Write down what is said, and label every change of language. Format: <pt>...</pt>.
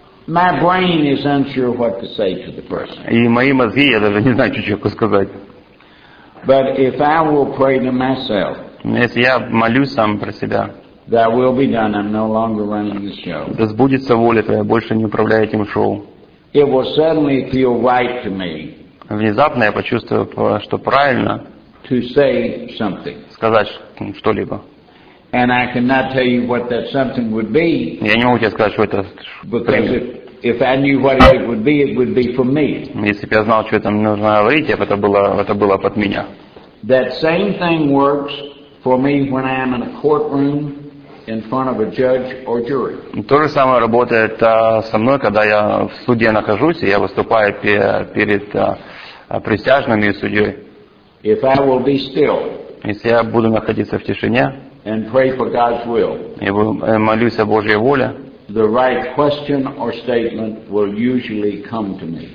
<en>My brain is unsure what to say to the person.</en> <ru>И мои мозги, я даже не знаю, что сказать.</ru> <en>But if I will pray to myself,</en> <ru>если я молюсь сам про себя,</ru> <en>that will be done. I'm no longer running the show.</en> <ru>Да сбудется воля твоя, больше не управляю этим шоу.</ru> <en>It will suddenly feel right to me.</en> <ru>Внезапно я почувствую, что правильно.</ru> <en>To say something.</en> <ru>Сказать что-либо.</ru> <en>And I cannot tell you what that something would be.</en> <ru>Я не могу тебе сказать, что это.</ru> <en>Because if I knew what it would be, it would be for me.</en> <ru>Если бы я знал, что это нужно говорить, это было под меня.</ru> <en>That same thing works for me when I am in a courtroom in front of a judge or jury.</en> <ru>То же самое работает со мной, когда я в суде нахожусь и я выступаю перед присяжными и судьей.</ru> <en>If I will be still.</en> <ru>Если я буду находиться в тишине.</ru> <en>And pray for God's will.</en> <ru>Я молюсь о Божьей воле.</ru> <en>The right question or statement will usually come to me.</en>